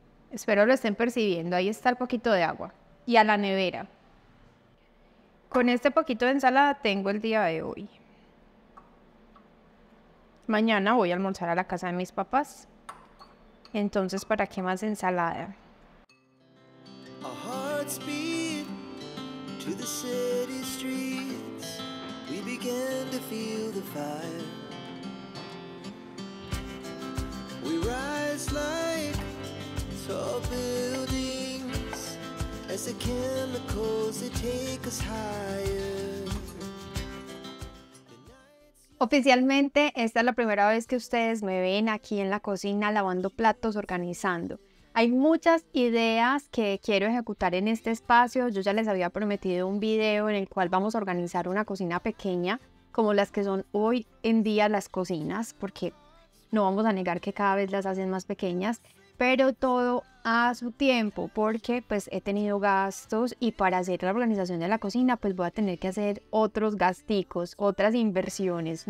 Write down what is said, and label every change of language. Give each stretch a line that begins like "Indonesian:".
Spanish: Espero lo estén percibiendo, ahí está el poquito de agua. Y a la nevera. Con este poquito de ensalada tengo el día de hoy. Mañana voy a almorzar a la casa de mis papás. Entonces, ¿para qué más ensalada?
English: Our hearts beat to the city streets. We begin to feel the fire. We rise like tall buildings as the chemicals they take us higher.
Spanish: Oficialmente, esta es la primera vez que ustedes me ven aquí en la cocina lavando platos, organizando. Hay muchas ideas que quiero ejecutar en este espacio. Yo ya les había prometido un video en el cual vamos a organizar una cocina pequeña, como las que son hoy en día las cocinas, porque no vamos a negar que cada vez las hacen más pequeñas, pero todo a su tiempo, porque pues he tenido gastos y para hacer la organización de la cocina pues voy a tener que hacer otros gasticos, otras inversiones.